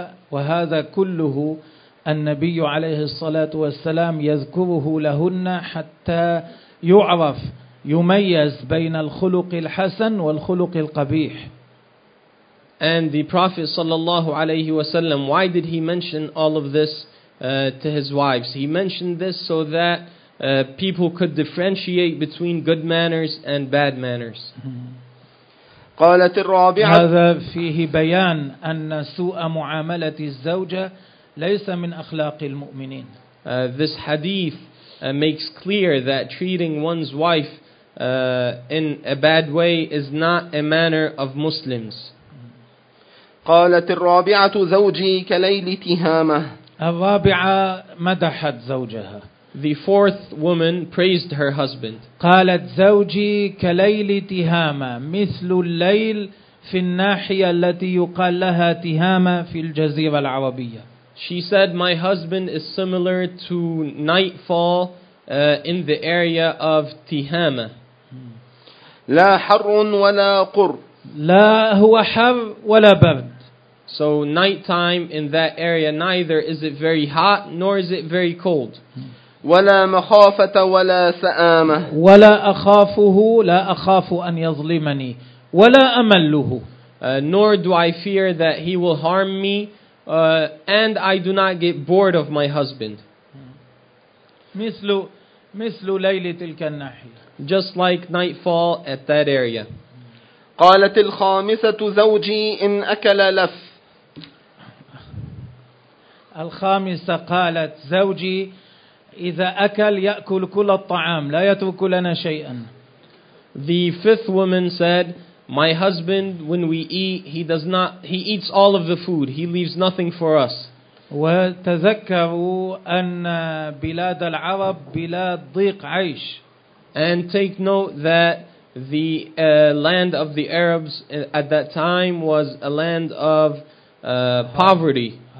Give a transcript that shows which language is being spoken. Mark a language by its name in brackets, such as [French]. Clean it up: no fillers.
[Arabic] وهذا كله النبي عليه الصلاة والسلام يذكره لهن حتى يعرف يميز بين الخلق الحسن والخلق القبيح. [English] And the Prophet [Arabic] صلى الله عليه وسلم, [English] why did he mention all of this to his wives? He mentioned this so that people could differentiate between good manners and bad manners. [Arabic] قالت الرابعة هذا فيه بيان أن سوء معاملة الزوجة ليس من أخلاق المؤمنين. [English] This hadith makes clear that treating one's wife in a bad way is not a manner of Muslims. [Arabic] قالت الرابعة زوجي كليل تهامة. الرابعة مدحت زوجها. [English] The fourth woman praised her husband. [Arabic] قالت زوجي كليل تهامة مثل الليل في الناحية التي يقال لها تهامة في الجزيرة العربية. [English] She said, my husband is similar to nightfall in the area of تهامة. [Arabic] لا حر ولا قر. لا هو حر ولا برد. [English] So nighttime in that area, neither is it very hot nor is it very cold. [Arabic] ولا مخافة ولا سآمة. ولا أخافه, لا أخاف أن يظلمني, ولا أمله. [English] Nor do I fear that he will harm me, and I do not get bored of my husband. [Arabic] مثل ليلة تلك الناحية. [English] Just like nightfall at that area. [Arabic] قالت الخامسة زوجي إن أكل لف. الخامسة قالت زوجي إذا أكل يأكل كل الطعام لا يترك لنا شيئا. [English] The fifth woman said, my husband, when we eat, he eats all of the food. He leaves nothing for us. [Arabic] وتذكروا أن بلاد العرب بلاد ضيق عيش. [English] And take note that the land of the Arabs at that time was a land of poverty.